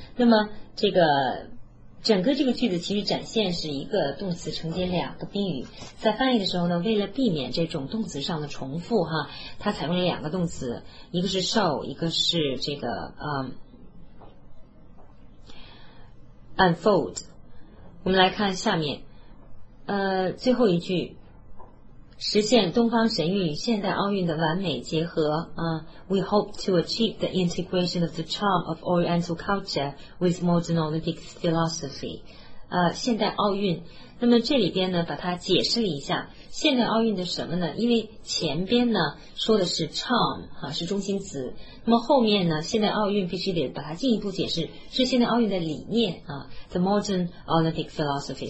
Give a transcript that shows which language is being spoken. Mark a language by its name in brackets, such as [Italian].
[Chinese] 那么这个整个这个句子其实展现是一个动词承接两个宾语，在翻译的时候呢，为了避免这种动词上的重复哈，它采用了两个动词，一个是 show， 一个是这个unfold。我们来看下面，最后一句，实现东方神韵与现代奥运的完美结合啊。 [English] We hope to achieve the integration of the charm of Oriental culture with modern Olympic philosophy。 [Chinese] 现代奥运，那么这里边呢，把它解释了一下，现代奥运的什么呢？因为前边呢说的是 charm 啊，是中心词，那么后面呢，现代奥运必须得把它进一步解释，是现代奥运的理念啊 ， [English] the modern Olympic philosophy。